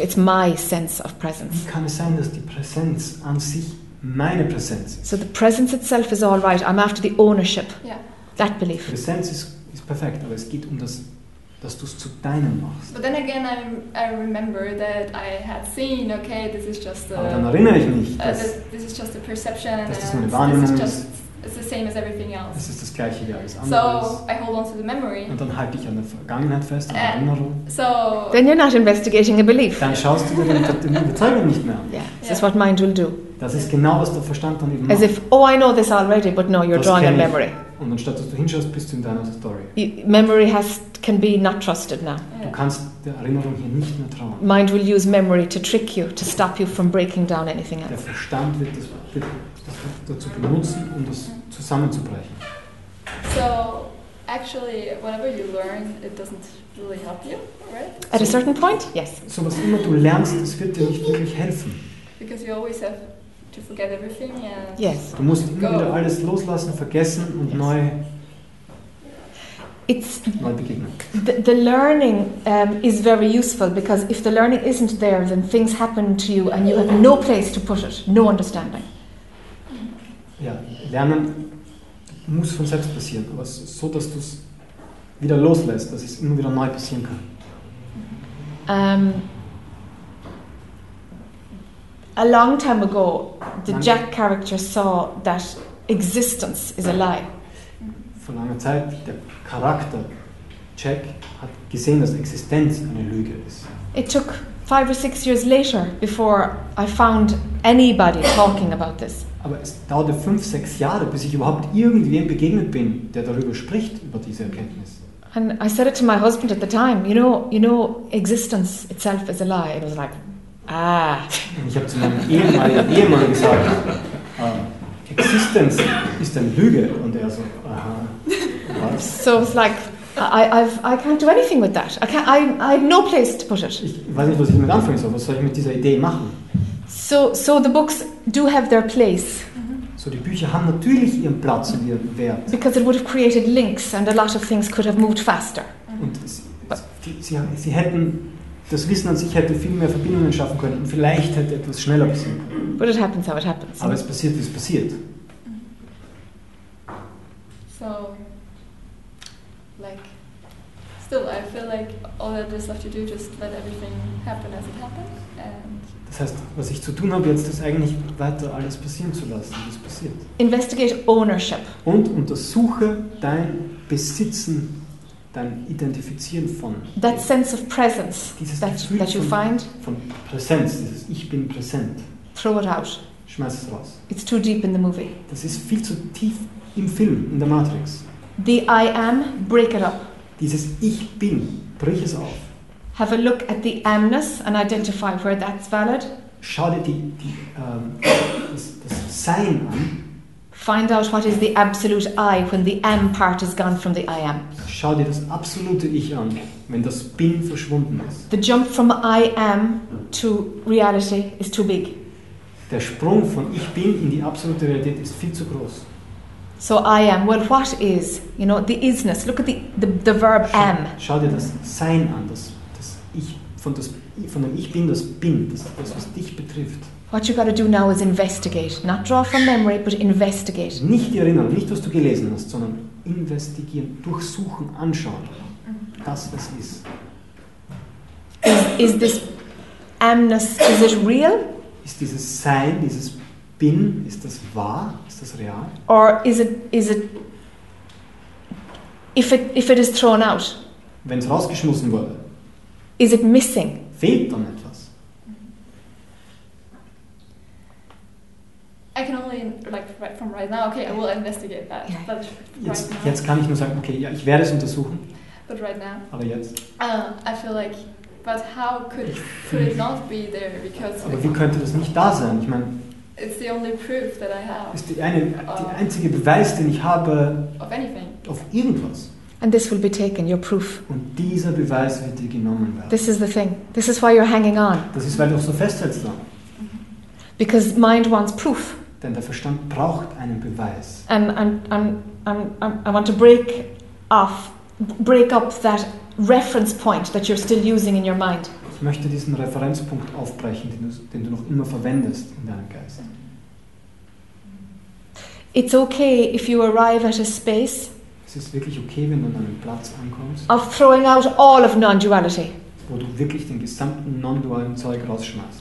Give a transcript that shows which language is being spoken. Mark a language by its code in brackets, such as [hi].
[en] It's my sense of presence. [de] Wie kann es sein, dass die Präsenz an sich meine Präsenz ist? [en] So the presence itself is all right. I'm after the ownership. Yeah. That belief. [de] Präsenz ist perfekt, aber es geht um das, dass du es zu deinem machst. [en] But then again, I remember that I had seen, okay, this is just a... [de] Aber dann erinnere ich mich, dass... [en] This is just a perception. [de] Dass das nur eine Wahrnehmung ist. [en] It's the same as everything else. [de] Es ist das Gleiche wie alles andere. [en] So, I hold on to the memory. [de] Und dann halte ich an der Vergangenheit fest, an der Erinnerung. [en] So... Then you're not investigating a belief. [de] Dann schaust du dir die Überzeugung nicht mehr an. [en] Yeah, this is what mind will do. [de] Das ist genau, was der Verstand dann eben macht. [en] As if, oh, I know this already, but no, you're [de] das [en] drawing a memory. [de] Und anstatt, dass du hinschaust, bist du in deiner Story. [en] Memory can be not trusted now. [de] Du kannst der Erinnerung hier nicht mehr trauen. [en] Mind will use memory to trick you, to stop you from breaking down anything else. [de] Der Verstand wird das dazu benutzen, um das zusammenzubrechen. [en] So, actually, whatever you learn, it doesn't really help you, right? At a certain point, yes. [de] So, was immer du lernst, es wird dir nicht wirklich helfen. [en] Because you always have... To forget everything, yeah. Yes. [de] Du musst immer wieder alles loslassen, vergessen und neu. [en] It's [de] neu beginnen. [en] The learning is very useful because if the learning isn't there, then things happen to you and you have no place to put it, no understanding. [de] Ja, lernen muss von selbst passieren, aber so, dass du es wieder loslässt, dass es immer wieder neu passieren kann. [en] A long time ago, the Jack character saw that existence is a lie. [de] Vor langer Zeit, der Charakter Jack hat gesehen, dass Existenz eine Lüge ist. [en] It took 5 or 6 years later before I found anybody talking about this. [de] Aber es dauerte 5, 6 Jahre, bis ich überhaupt irgendwem begegnet bin, der darüber spricht, über diese Erkenntnis. [en] And I said it to my husband at the time, you know, existence itself is a lie. It was like... Ah. [de] Ich habe zu meinem Ehemann gesagt, Existence ist eine Lüge. Und er so, aha, was? [en] So it's like, I can't do anything with that. I have no place to put it. [de] Ich weiß nicht, was ich damit anfangen soll. Was soll ich mit dieser Idee machen? [en] So the books do have their place. [de] So die Bücher haben natürlich ihren Platz und ihren Wert. [en] Because it would have created links and a lot of things could have moved faster. [de] Und sie hätten... Das Wissen an sich hätte viel mehr Verbindungen schaffen können und vielleicht hätte etwas schneller passieren können. [en] But it happens how it happens. [de] Aber es passiert, wie es passiert. [en] So, like, still I feel like all that is left to do, just let everything happen as it happens. [de] Das heißt, was ich zu tun habe jetzt, ist eigentlich weiter alles passieren zu lassen, wie es passiert. [en] Investigate ownership. [de] Und untersuche dein Besitzen. Dein Identifizieren von [en] that sense of presence that you find [de] von Präsenz, dieses Ich bin präsent. [en] Throw it out. [de] Schmeiß es raus. [en] It's too deep in the movie. [de] Das ist viel zu tief im Film, in der Matrix. [en] The I am, break it up. [de] Dieses Ich bin, brich es auf. [en] Have a look at the amness and identify where that's valid. [de] Schau dir das Sein an. [en] Find out what is the absolute I when the am part is gone from the I am. [de] Schau dir das absolute Ich an, wenn das Bin verschwunden ist. [en] The jump from I am to reality is too big. [de] Der Sprung von Ich bin in die absolute Realität ist viel zu groß. [en] So I am, well what is, you know, the isness, look at the verb am. [de] Schau dir das Sein an, das Ich von dem Ich bin, das Bin, das was dich betrifft. [en] What you got to do now is investigate, not draw from memory, but investigate. [de] Nicht die Erinnerung, nicht was du gelesen hast, sondern investigieren, durchsuchen, anschauen, das es ist. [en] Is this amness? Is it real? [de] Ist dieses Sein, dieses Bin, ist das wahr? Ist das real? [en] Or is it? If it is thrown out. [de] Wenn es rausgeschmissen wurde. [en] Is it missing? [de] Fehlt dann etwas? [en] I can only, like, from right now, okay, I will investigate that. Yeah. But right [de] jetzt, [en] now, [de] jetzt kann ich nur sagen, okay, ja, ich werde es untersuchen. [en] But right now. [de] Aber jetzt. [en] I feel like, but how could it not be there? Because [de] aber wie könnte das nicht da sein? Ich meine, [en] it's the only proof that I have. [de] Ist der einzige Beweis, den ich habe. [en] Of anything. [de] Auf irgendwas. [en] And this will be taken, your proof. [de] Und dieser Beweis wird dir genommen werden. [en] This is the thing. This is why you're hanging on. [de] Das ist, weil du auch so festhältst da. [en] Because mind wants proof. [de] Denn der Verstand braucht einen Beweis. [en] And I want to break up that reference point that you're still using in your mind. [de] Ich möchte diesen Referenzpunkt aufbrechen, den du noch immer verwendest in deinem Geist. [en] It's okay if you arrive at a space. [de] Es ist wirklich okay, wenn du an einem Platz ankommst. [en] Of throwing out all of non-duality. [de] Wo du wirklich den gesamten non-dualen Zeug rausschmeißt.